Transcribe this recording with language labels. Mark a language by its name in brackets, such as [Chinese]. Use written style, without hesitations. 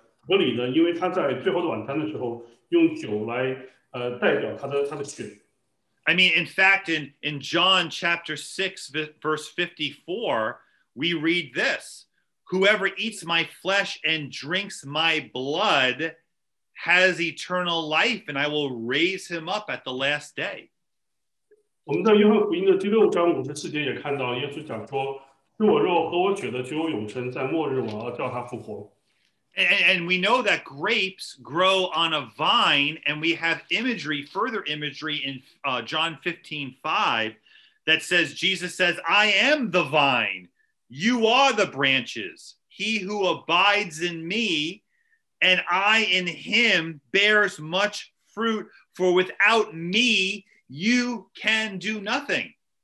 [Chinese] 合理的，因为他在最后的晚餐的时候用酒来代表他的血。 [English] I mean, in fact, in John chapter 6, verse 54, we read this: whoever eats my flesh and drinks my blood has eternal life, and I will raise him up at the last day. [Chinese] 我们在约翰福音的第六章54节也看到耶稣讲说：吃我肉喝我血的就有永生，在末日我要叫他复活。 [English] And we know that grapes grow on a vine, and we have imagery, further imagery in John 15:5 that says, Jesus says, I am the vine, you are the branches. He who abides in me and I in him bears much fruit, for without me, you can do nothing.